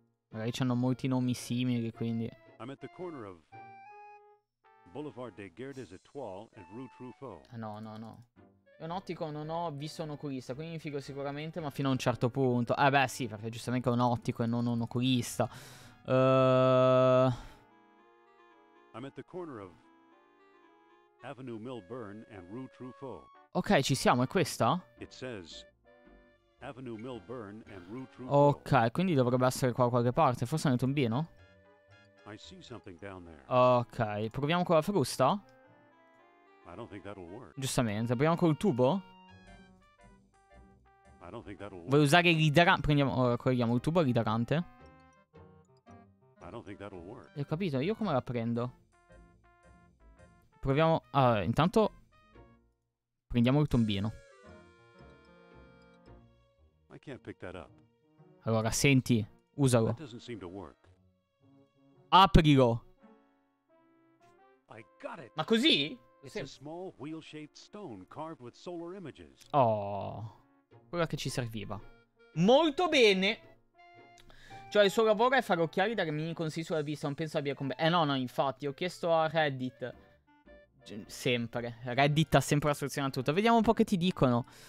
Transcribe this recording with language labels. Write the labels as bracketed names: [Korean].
[Italian] Magari c'hanno molti nomi simili, quindi. [English] I'm at the corner of Boulevard des Gardes Étoiles and Rue Truffaut. [Italian] No. È un ottico, non ho visto un oculista, quindi mi figo sicuramente, ma fino a un certo punto. Beh, sì, perché giustamente è un ottico e non un oculista. [English] I'm at the corner of Avenue Milburn and Rue Truffaut. [Italian] Ok, ci siamo, è questa? [English] It says Avenue Milburn and Rue Truffaut. [Italian] Ok, quindi dovrebbe essere qua qualche parte. Forse nel tombino? [English] I see something down there. [Italian] Ok, proviamo con la frusta? [English] I don't think that'll work. [Italian] Giustamente, proviamo col tubo? [English] I don't think that'll work. [Italian] Vuoi usare il idrante? Prendiamo, ora colleghiamo il tubo e l'idrante. [English] I don't think that'll work. [Italian] Ho capito, io come la prendo? Proviamo. Allora, intanto prendiamo il tombino. [English] Can't pick that up. [Italian] Allora, senti, usalo. [English] That doesn't seem to work. [Italian] Aprilo. [English] I got it. [Italian] Ma così? [English] It's a small wheel-shaped stone carved with solar images. [Italian] Oh, quella che ci serviva. Molto bene. Cioè, il suo lavoro è fare occhiali da mini consigli sulla vista. Non penso abbia combattuto. No, infatti, ho chiesto a Reddit. Sempre. Reddit ha sempre la soluzione a tutto. Vediamo un po' che ti dicono.